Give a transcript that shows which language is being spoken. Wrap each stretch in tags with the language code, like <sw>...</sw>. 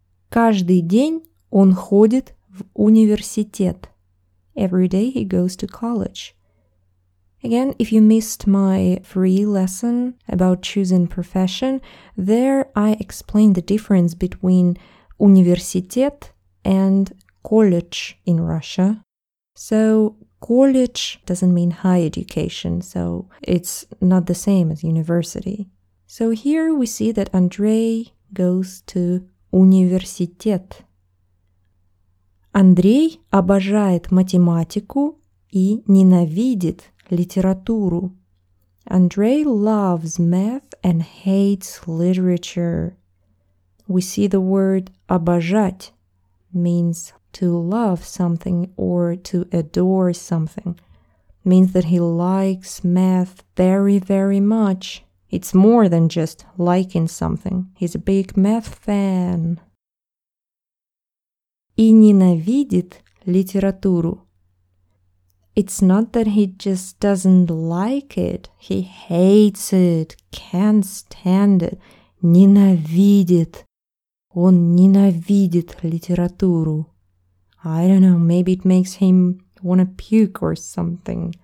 <ru>Каждый день он ходит в университет.</ru> <en>Every day he goes to college. Again, if you missed my free lesson about choosing profession, there I explained the difference between университет and college in Russia. So college doesn't mean high education, so it's not the same as university. So here we see that Андрей goes to университет.</en> <ru>Андрей обожает математику и ненавидит литературу.</ru> <en>Андрей loves math and hates literature. We see the word обожать means to love something or to adore something. Means that he likes math very, very much. It's more than just liking something. He's a big math fan.</en> <ru>И ненавидит литературу.</ru> <en>It's not that he just doesn't like it. He hates it, can't stand it.</en> <ru>Ненавидит. Он ненавидит литературу.</ru> <en>I don't know, maybe it makes him want to puke or something.</en>